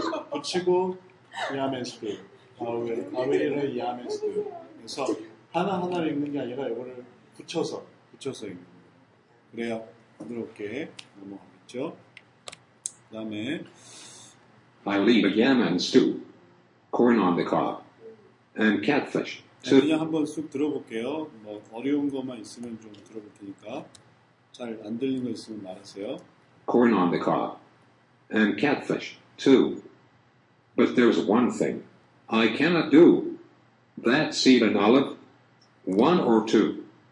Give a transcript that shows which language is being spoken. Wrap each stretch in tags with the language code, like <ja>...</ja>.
<ko>그리고 붙이고</ko> <en>yam and stew. I will eat a yam and stew.</en> <ko>그래서 하나하나를 읽는 게 아니라 이거를 붙여서 읽는 거예요. 그래야 부드럽게 넘어가겠죠. 그 다음에</ko> <en>I will eat a yam and stew. Corn on the cob. And catfish.</en> <ko>네, 그냥 한번 쑥 들어볼게요. 뭐 어려운 것만 있으면 좀 들어볼 테니까 잘 안 들리는 거 있으면 말하세요.</ko> <en>Corn on the cob and catfish too. But there's one thing I cannot do. That seed and olive, one or two.</en>